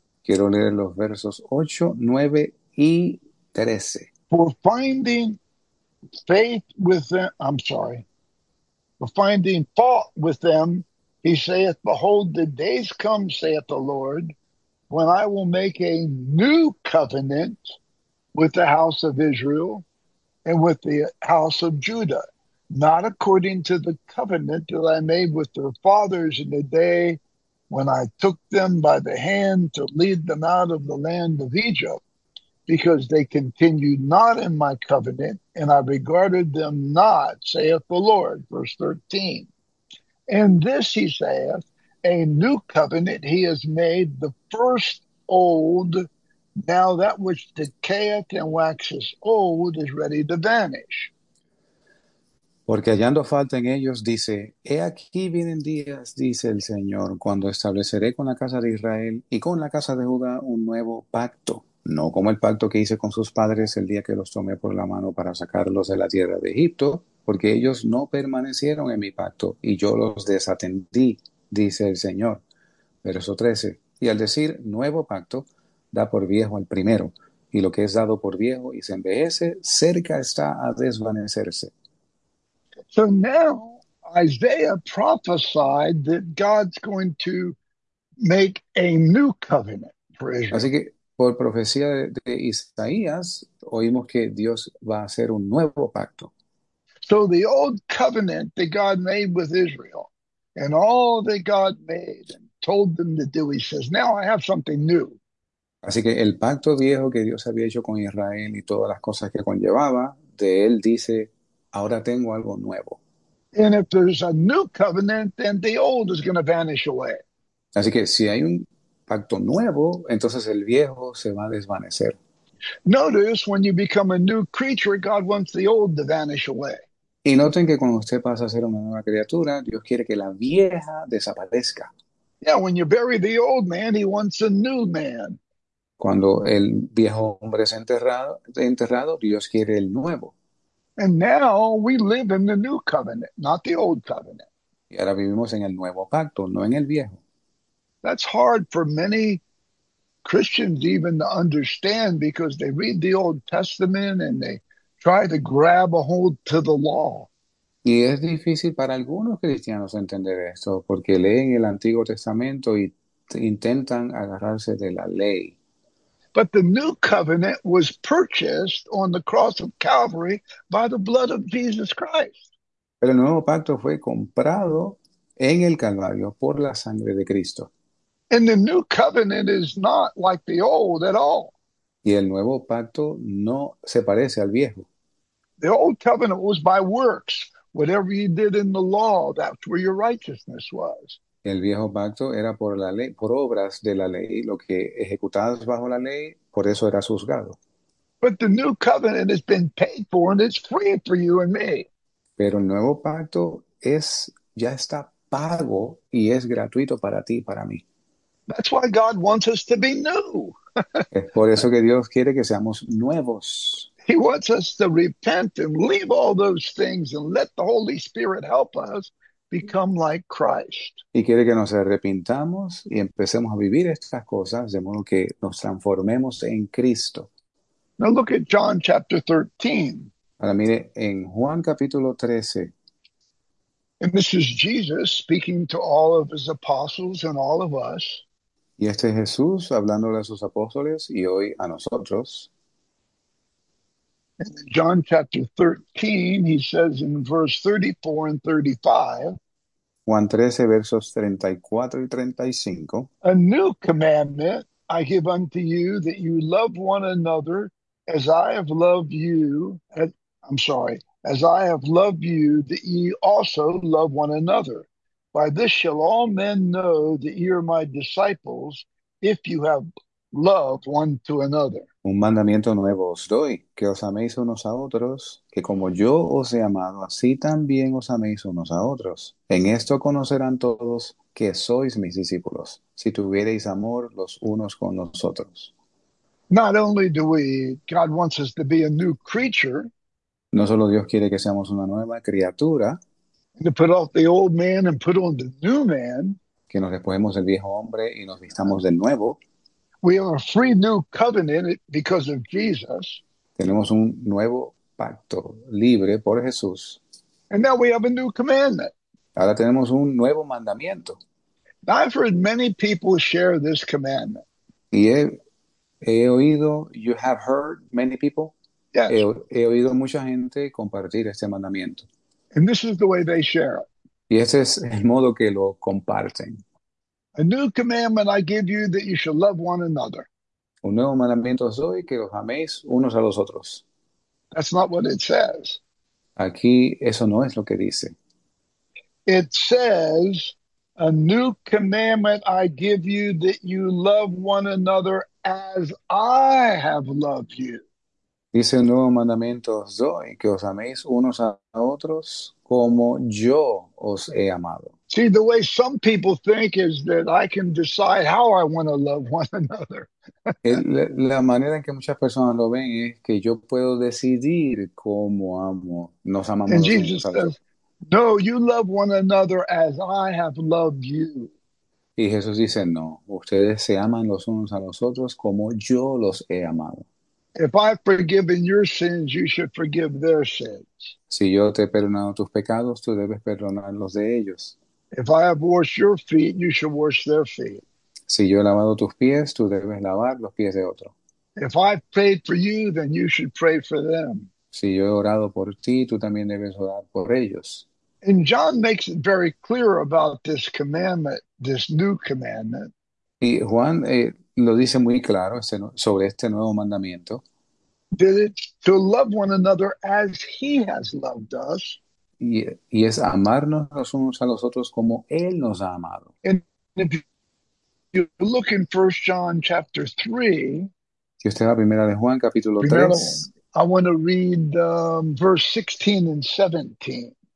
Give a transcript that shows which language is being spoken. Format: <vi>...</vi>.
<es>Quiero leer los versos 8, 9 y 13.</es> <en>For finding faith with them, I'm sorry, for finding fault with them, he saith, Behold, the days come, saith the Lord. When I will make a new covenant with the house of Israel and with the house of Judah, not according to the covenant that I made with their fathers in the day when I took them by the hand to lead them out of the land of Egypt, because they continued not in my covenant, and I regarded them not, saith the Lord. Verse 13. And this he saith, A new covenant he has made, the first old. Now that which decayeth and waxes old is ready to vanish.</en> <es>Porque hallando falta en ellos, dice, He aquí vienen días, dice el Señor, cuando estableceré con la casa de Israel y con la casa de Judá un nuevo pacto, no como el pacto que hice con sus padres el día que los tomé por la mano para sacarlos de la tierra de Egipto, porque ellos no permanecieron en mi pacto y yo los desatendí, dice el Señor. Verso 13. Y al decir nuevo pacto, da por viejo al primero, y lo que es dado por viejo y se envejece, cerca está a desvanecerse.</es> <en>So now Isaiah prophesied that God's going to make a new covenant for</en> <es>Así</es> <en>Israel.</en> <es>que por profecía de Isaías oímos que Dios va a hacer un nuevo pacto.</es> <en>So the old covenant that God made with Israel and all that God made and told them to do, he says, now I have something new.</en> <es>Así que el pacto viejo que Dios había hecho con Israel y todas las cosas que conllevaba, de él dice, ahora tengo algo nuevo.</es> <en>And if there's a new covenant, then the old is going to vanish away.</en> <es>Así que si hay un pacto nuevo, entonces el viejo se va a desvanecer.</es> <en>Notice when you become a new creature, God wants the old to vanish away.</en> <es>Y noten que cuando usted pasa a ser una nueva criatura, Dios quiere que la vieja desaparezca.</es> <en>Yeah, when you bury the old man, he wants a new man.</en> <es>Cuando el viejo hombre es enterrado, Dios quiere el nuevo.</es> <en>And now we live in the new covenant, not the old covenant.</en> <es>Y ahora vivimos en el nuevo pacto, no en el viejo.</es> <en>That's hard for many Christians even to understand because they read the Old Testament and they try to grab a hold to the law.</en> <es>Y es difícil para algunos cristianos entender esto, porque leen el Antiguo Testamento e intentan agarrarse de la ley.</es> <en>But the new covenant was purchased on the cross of Calvary by the blood of Jesus Christ.</en> <es>Pero el nuevo pacto fue comprado en el Calvario por la sangre de Cristo.</es> <en>And the new covenant is not like the old at all.</en> <es>Y el nuevo pacto no se parece al viejo.</es> <en>The old covenant was by works. Whatever you did in the law, that's where your righteousness was.</en> <es>El viejo pacto era por la ley, por obras de la ley, lo que ejecutadas bajo la ley, por eso era juzgado.</es> <en>But the new covenant has been paid for and it's free for you and me.</en> <es>Pero el nuevo pacto es ya está pago y es gratuito para ti y para mí.</es> <en>That's why God wants us to be new.</en> <es>Es por eso que Dios quiere que seamos nuevos.</es> <en>He wants us to repent and leave all those things and let the Holy Spirit help us become like Christ.</en> <es>Y quiere que nos arrepintamos y empecemos a vivir estas cosas de modo que nos transformemos en Cristo.</es> <en>Now look at John chapter 13.</en> <es>Ahora mire, en Juan capítulo 13,</es> <en>And this is Jesus speaking to all of his apostles and all of us.</en> <es>Y este es Jesús hablándole a sus apóstoles y hoy a nosotros.</es> <en>In John chapter 13, he says in verse 34 and 35,</en> <es>Juan 13, versos 34 y 35.</es> <en>a new commandment I give unto you, that you love one another as I have loved you. I'm sorry, as I have loved you, that ye also love one another. By this shall all men know that ye are my disciples, if you have love one to another.</en> <es>Un mandamiento nuevo os doy, que os améis unos a otros, que como yo os he amado, así también os améis unos a otros. En esto conocerán todos que sois mis discípulos, si tuviereis amor los unos con los otros.</es> <en>Not only do we, God wants us to be a new creature,</en> <es>No solo Dios quiere que seamos una nueva criatura,</es> <en>and to put off the old man and put on the</en> <es>que nos despojemos del viejo hombre y nos</es> <en>new</en> <es>vistamos</es> <en>man.</en> <es>del nuevo.</es> <en>We have a free new covenant because of Jesus.</en> <es>Tenemos un nuevo pacto libre por Jesús.</es> <en>And now we have a new commandment.</en> <es>Ahora tenemos un nuevo mandamiento.</es> <en>Now I've heard many people share this commandment.</en> <es>Y he oído,</es> <en>you have heard many people, Yes.</en> <es>he oído mucha gente compartir este mandamiento.</es> <en>And this is the way they share it.</en> <es>Y ese es el modo que lo comparten.</es> <en>A new commandment I give you, that you shall love one another.</en> <es>Un nuevo mandamiento os doy, que os améis unos a los otros.</es> <en>That's not what it says.</en> <es>Aquí eso no es lo que dice.</es> <en>It says, a new commandment I give you, that you love one another as I have loved you.</en> <es>Dice un nuevo mandamiento os doy, que os améis unos a otros como yo os he amado.</es> <en>See, the way some people think is that I can decide how I want to love one another.</en> <es>La manera en que muchas personas lo ven es que yo puedo decidir cómo amo, nos amamos</es> <en>And</en> <es>los unos</es> <en>Jesus</en> <es>a los otros.</es> <en>says, no, you love one another as I have loved you.</en> <es>Y Jesús dice, no, ustedes se aman los unos a los otros como yo los he amado.</es> <en>If I've forgiven your sins, you should forgive their sins.</en> <es>Si yo te he perdonado tus pecados, tú debes perdonar los de ellos.</es> <en>If I have washed your feet, you should wash their feet.</en> <es>Si yo he lavado tus pies, tú debes lavar los pies de otro.</es> <en>If I've prayed for you, then you should pray for them.</en> <es>Si yo he orado por ti, tú también debes orar por ellos.</es> <en>And John makes it very clear about this commandment, this new commandment.</en> <es>Y Juan lo dice muy claro sobre este nuevo mandamiento.</es> <en>That it's to love one another as he has loved us.</en> <es>Y es amarnos los unos a los otros como Él nos ha amado.</es> <en>If you look in 1 John chapter 3,</en> <es>Si usted va a Primera de Juan, capítulo primero 3,</es> <en>I want to read verse 16 and 17.</en>